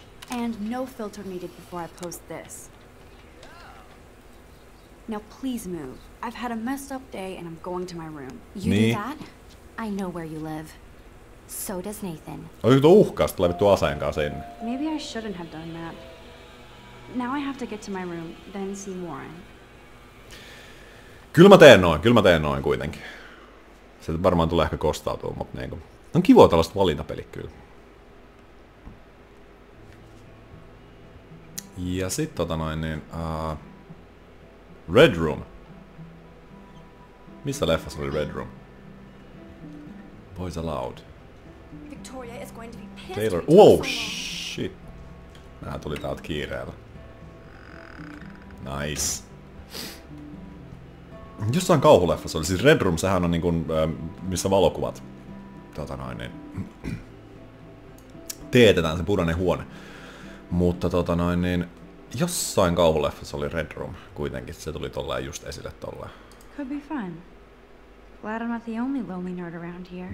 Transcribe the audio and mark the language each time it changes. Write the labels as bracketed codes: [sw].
[en] And no filter needed before I post this. Now please move. I've had a messed up day and I'm going to my room. You do that? I know where you live. So does Nathan. [fi] Oi, tuo uhkaus, tulee vittu aseen kanssa sinne. [en] Maybe I shouldn't have done that. Now I have to get to my room, then see Warren. [fi] Kyllä mä teen noin kuitenkin. Se varmaan tulee ehkä kostautua, mutta niinku. On kivoa tällaista valintapeli kyllä. Ja sit Red Room. Missä leffassa oli Red Room? [en] Boys Aloud. Victoria is going to be pissed. Taylor. Whoa, shit. [fi] Nää tuli täältä kiireellä. [en] Nice. [fi] Jossain kauhuleffassa oli. Siis Red Room, sehän on niinku, missä valokuvat. Teetetään se punainen huone. Mutta jossain kauhuleffassa oli Red Room kuitenkin. Se tuli tolleen just esille tolleen. [en] Could be fun. Glad I'm not the only lonely nerd around here.